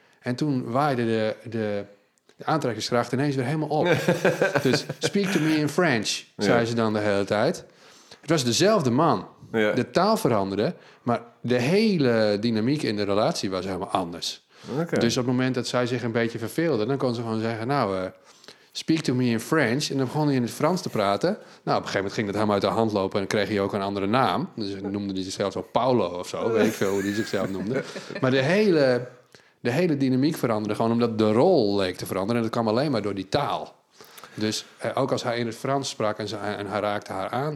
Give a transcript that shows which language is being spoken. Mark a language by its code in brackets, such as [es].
[nl] En toen waaide de aantrekkingskracht ineens weer helemaal op. Dus [en] speak to me in French, [nl] zei ze dan de hele tijd. Het was dezelfde man. Ja. De taal veranderde, maar de hele dynamiek in de relatie was helemaal anders. Okay. Dus op het moment dat zij zich een beetje verveelde, dan kon ze gewoon zeggen... [en] Nou, speak to me in French. [nl] En dan begon hij in het Frans te praten. Nou, op een gegeven moment ging dat helemaal uit de hand lopen. En dan kreeg hij ook een andere naam. Dus noemde hij zichzelf zo Paolo of zo. Weet ik veel hoe hij zichzelf noemde. Maar de hele dynamiek veranderde. Gewoon omdat de rol leek te veranderen. En dat kwam alleen maar door die taal. Dus ook als hij in het Frans sprak en hij raakte haar aan...